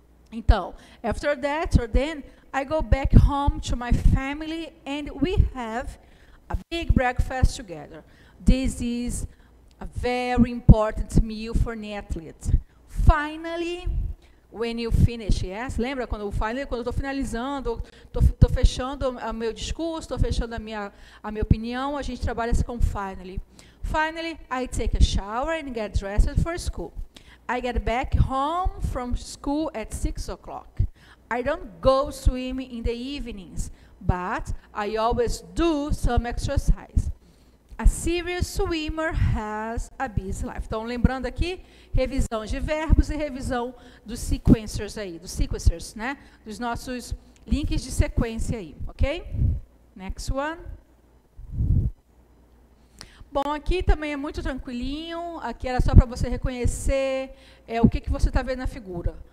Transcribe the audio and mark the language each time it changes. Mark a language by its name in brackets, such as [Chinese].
[English] Então, after that, or then, I go back home to my family and we have a big breakfast together. This is a very important meal for an athlete. Finally, when you finish, yes? [Portuguese] Lembra quando eu finally, quando estou finalizando, estou fechando o meu discurso, estou fechando a minha opinião, a gente trabalha com finally. [English] Finally, I take a shower and get dressed for school. I get back home from school at 6 o'clock. I don't go swimming in the evenings, but I always do some exercise. A serious swimmer has a busy life. [Portuguese] Então, lembrando aqui, revisão de verbos e revisão dos sequencers aí, dos sequencers, né? Dos nossos links de sequência aí, ok? Next one. Bom, aqui também é muito tranquilinho. Aqui era só para você reconhecer o que você está vendo na figura.